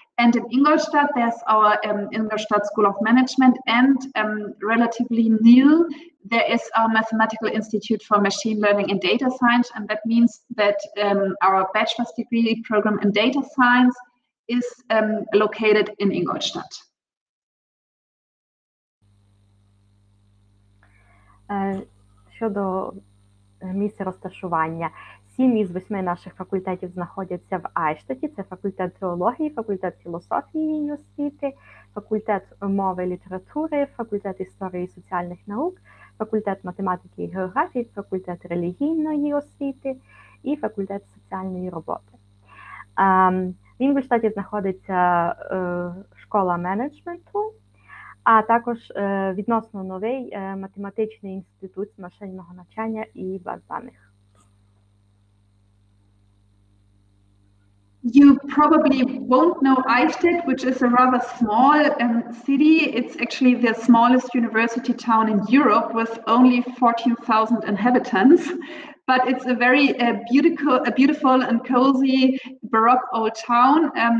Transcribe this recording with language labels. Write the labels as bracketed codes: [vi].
[en] And in Ingolstadt, there's our Ingolstadt School of Management, and relatively new, there is our Mathematical Institute for Machine Learning and Data Science. And that means that our bachelor's degree program in data science is located in Ingolstadt. [uk] Щодо місця розташування, 7 із 8 наших факультетів знаходяться в Айштаті. Це факультет теології, факультет філософії і освіти, факультет мови і літератури, факультет історії і соціальних наук, факультет математики і географії, факультет релігійної освіти і факультет соціальної роботи. В Інгольштаті знаходиться школа менеджменту, а також відносно новий математичний інститут машинного навчання і баз даних. [en] You probably won't know Eichstätt, which is a rather small city. It's actually the smallest university town in Europe with only 14,000 inhabitants. But it's a very beautiful and cozy Baroque old town.